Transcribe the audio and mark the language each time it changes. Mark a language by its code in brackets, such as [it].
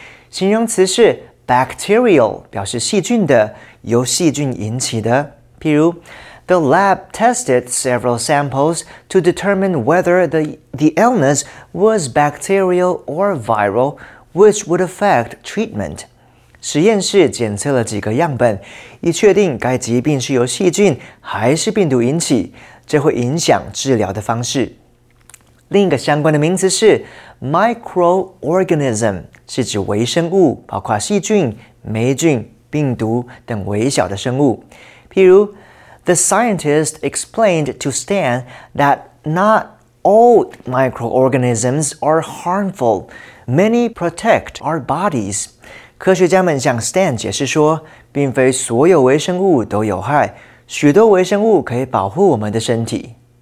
[zh] 形容词是 bacterial, 表示细菌的，由细菌引起的。譬如 [en] ,The lab tested several samples to determine whether the illness was bacterial or viral, which would affect treatment. [zh] 实验室检测了几个样本，以确定该疾病是由细菌还是病毒引起，这会影响治疗的方式。另一个相关的名词是 microorganism， 是指微生物，包括细菌、霉菌、病毒等微小的生物。譬如 [en] ，The scientist explained to Stan that not all microorganisms are harmful. Many protect our bodies. [zh] 科学家们向 Stan 解释说，并非所有微生物都有害，许多微生物可以保护我们的身体。